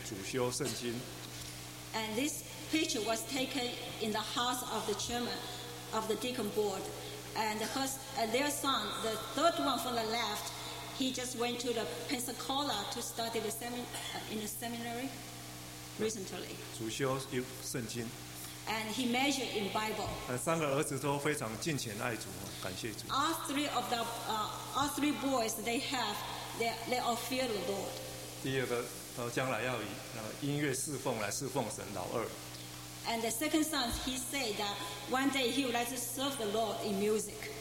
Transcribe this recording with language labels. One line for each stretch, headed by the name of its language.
Chinese: 最后，这是那天中午我们要离开他执事会主席，我们在他家跟他们分享聚餐。第三个是他大儿子最近上个月来到Pensacola读圣经神学院主修圣经。
English: And this picture was taken in the house of the chairman of the deacon board, and their son, the third one from the left, he just went to the Pensacola to study the seminary. Recently, and he measured in Bible.
Chinese: 三个儿子都非常敬虔爱主，感谢主。
English: All three boys they all fear the Lord.
Chinese: 第二个，将来要以音乐侍奉来侍奉神。老二。
English: And the second son, he said that one day he would like to serve the Lord in music.